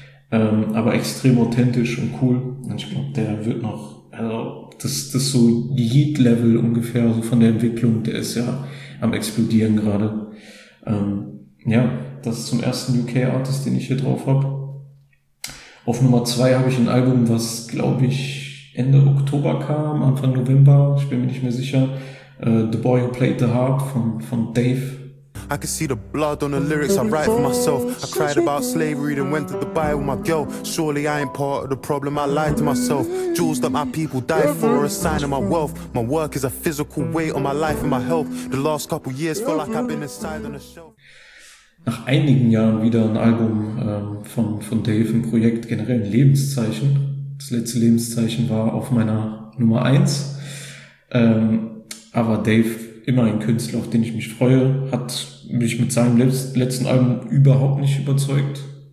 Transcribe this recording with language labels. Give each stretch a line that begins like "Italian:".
German: Aber extrem authentisch und cool. Und ich glaube, der wird noch, also das ist so Yeet-Level ungefähr, so von der Entwicklung, der ist ja am Explodieren gerade. Ja, das ist zum ersten UK-Artist, den ich hier drauf habe. Auf Nummer 2 habe ich ein Album, was, glaube ich, Ende Oktober kam, Anfang November, ich bin mir nicht mehr sicher. The Boy Who Played the Harp von Dave.
English: I can see the blood on the lyrics I write for myself. I cried about slavery, then went to Dubai with my girl. Surely I ain't part of the problem, I lied to myself. Jewels that my people die for are a sign of my wealth. My work is a physical weight on my life and my health. The last couple years feel like I've been inside on a shelf.
German: Nach einigen Jahren wieder ein Album von Dave, im Projekt, generell ein Lebenszeichen. Das letzte Lebenszeichen war auf meiner Nummer 1. Aber Dave, immer ein Künstler, auf den ich mich freue, hat mich mit seinem letzten Album überhaupt nicht überzeugt.